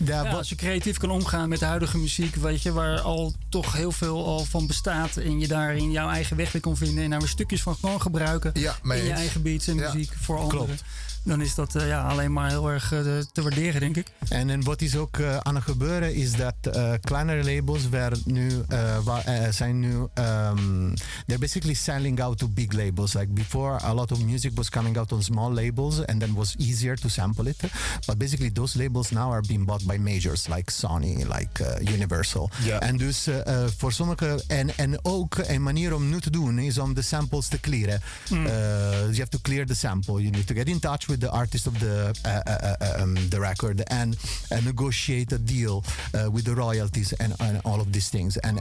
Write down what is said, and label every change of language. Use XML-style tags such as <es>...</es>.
<nl>Als je creatief kan omgaan met de huidige muziek, weet je, waar al toch heel veel al van bestaat en je daarin jouw eigen weg weer kan vinden en daar weer stukjes van kan gebruiken in je eigen beats en muziek voor anderen. Dan is dat alleen maar heel erg te waarderen, denk ik. En wat is ook aan het gebeuren, is dat kleinere labels</nl> <en>they're basically selling out to big labels. Like before, a lot of music was coming out on small labels and then was easier to sample it. But basically, those labels now are being bought by majors like Sony, like Universal. Yeah.</en> <nl>En dus voor sommige, en ook een manier om nu te doen, is om de samples te clearen.</nl> <en>You have to clear the sample. You need to get in touch with the artist of the record and negotiate a deal with the royalties and all of these things.</en>